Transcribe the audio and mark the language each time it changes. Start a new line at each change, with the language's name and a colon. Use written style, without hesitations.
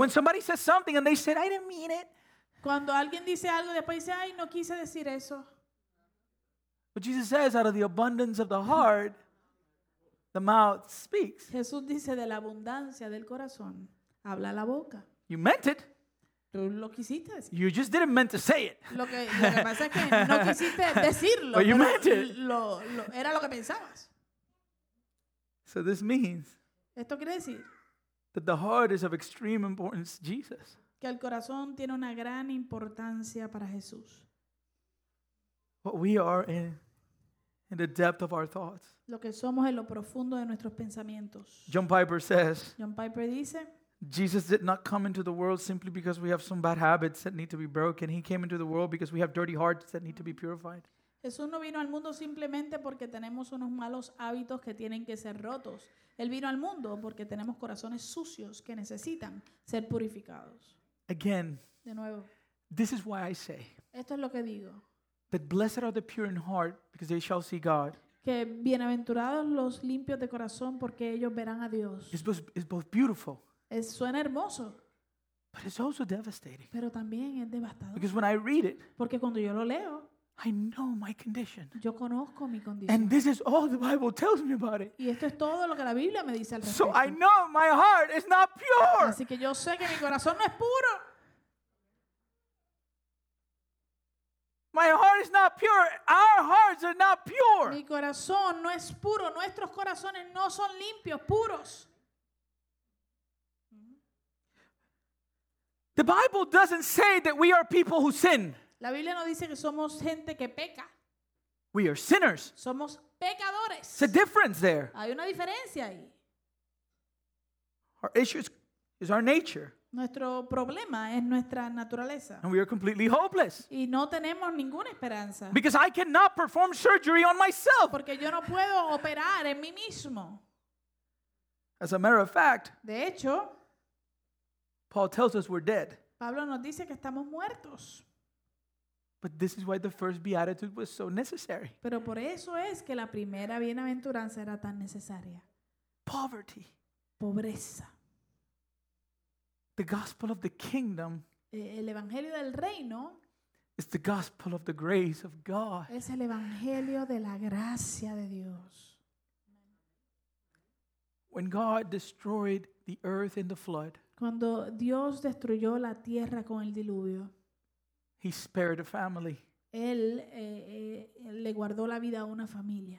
English: When somebody says something and they said, I didn't mean it.
Spanish: Cuando alguien dice algo, después dice, ay, no quise decir eso.
English: But Jesus says, out of the abundance of the heart, the mouth speaks.
Spanish: Jesús dice, de la abundancia del corazón, habla la boca.
English: You meant it.
Spanish: Tú lo quisiste decir.
English: You just didn't meant to say it.
Spanish: Lo que pasa es que no quisiste decirlo.
English: But you meant it.
Spanish: Lo era lo que pensabas.
English: So this means,
Spanish: esto quiere decir,
English: that the heart is of extreme importance, Jesus.
Spanish: que el corazón tiene una gran importancia para Jesús.
English: What we are in the depth of our thoughts.
Spanish: Lo que somos en lo profundo de nuestros pensamientos.
English: John Piper dice, Jesus did not come into the world simply because we have some bad habits that need to be broken. He came into the world because we have dirty hearts that need to be purified.
Spanish: Jesús no vino al mundo simplemente porque tenemos unos malos hábitos que tienen que ser rotos. Él vino al mundo porque tenemos corazones sucios que necesitan ser purificados.
English: Again,
Spanish: de nuevo,
English: this is why I say,
Spanish: esto es lo que digo,
English: that blessed are the pure in heart because they shall see God.
Spanish: Que bienaventurados los limpios de corazón porque ellos verán a Dios.
English: It's both beautiful.
Spanish: Es, suena hermoso.
English: But it's also devastating.
Spanish: Pero también es devastador.
English: Because when I read it,
Spanish: porque cuando yo lo leo,
English: I know my condition.
Spanish: Yo conozco mi condición.
English: And this is all the Bible tells me about it.
Spanish: Y esto es todo lo que la Biblia me dice al respecto.
English: So I know my heart is not pure.
Spanish: Así que yo sé que mi corazón no es puro.
English: My heart is not pure. Our hearts are not pure.
Spanish: Mi corazón no es puro. Nuestros corazones no son limpios, puros.
English: The Bible doesn't say that we are people who sin.
Spanish: La Biblia no dice que somos gente que peca.
English: We are sinners.
Spanish: Somos pecadores.
English: There's a difference there.
Spanish: Hay una diferencia ahí.
English: Our issue is our nature.
Spanish: Nuestro problema es nuestra naturaleza.
English: And we are completely hopeless.
Spanish: Y no tenemos ninguna esperanza.
English: Because I cannot perform surgery on myself.
Spanish: Porque yo no puedo operar en mí mismo.
English: As a matter of fact,
Spanish: de hecho,
English: Paul tells us we're dead.
Spanish: Pablo nos dice que estamos muertos.
English: But this is why the first beatitude was so necessary.
Spanish: Pero por eso es que la primera bienaventuranza era tan necesaria.
English: Poverty.
Spanish: Pobreza.
English: The gospel of the kingdom.
Spanish: El evangelio del reino.
English: Is the gospel of the grace of God.
Spanish: Es el evangelio de la gracia de Dios.
English: When God destroyed the earth in the flood.
Spanish: Cuando Dios destruyó la tierra con el diluvio.
English: He spared a family.
Spanish: Él le guardó la vida a una familia.